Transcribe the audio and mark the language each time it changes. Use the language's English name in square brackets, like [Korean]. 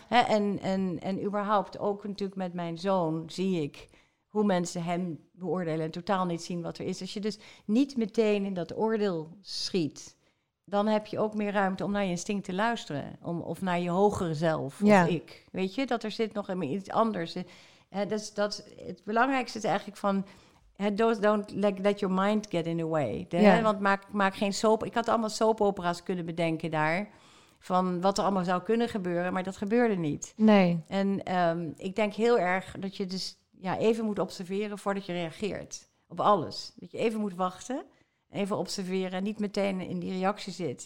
[Dutch] He, en überhaupt ook natuurlijk met mijn zoon zie ik hoe mensen hem beoordelen... en totaal niet zien wat er is. Als je dus niet meteen in dat oordeel schiet... dan heb je ook meer ruimte om naar je instinct te luisteren. Of naar je hogere zelf, of ik. Weet je, dat er zit nog iets anders... Het belangrijkste is eigenlijk van... [English] Don't let your mind get in the way. [Dutch] Want maak geen soap... Ik had allemaal soapopera's kunnen bedenken daar... van wat er allemaal zou kunnen gebeuren... maar dat gebeurde niet. Nee. En ik denk heel erg dat je dus even moet observeren... voordat je reageert op alles. Dat je even moet wachten, even observeren... en niet meteen in die reactie zit.